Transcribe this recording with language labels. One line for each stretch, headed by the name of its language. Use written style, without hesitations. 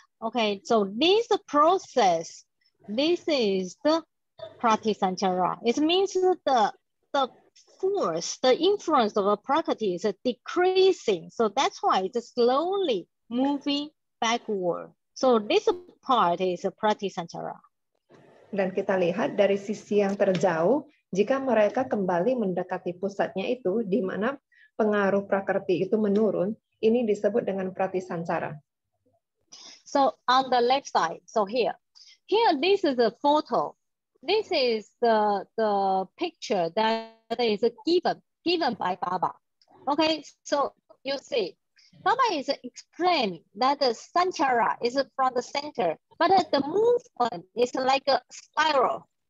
English: Okay, so this process, this is the prati sanchara. It means the force, the influence of a prakriti is decreasing. So that's why it's slowly moving backward. So this part is a prati sanchara.
Indonesian: Dan kita lihat dari sisi yang terjauh, jika mereka kembali mendekati pusatnya itu, di mana pengaruh prakriti itu menurun, ini disebut dengan prati sanchara.
English: So on the left side, so here this is a photo. This is the picture that is given by Baba. Okay, so you see, Baba is explaining that the sanchara is from the center, but the movement is like a spiral.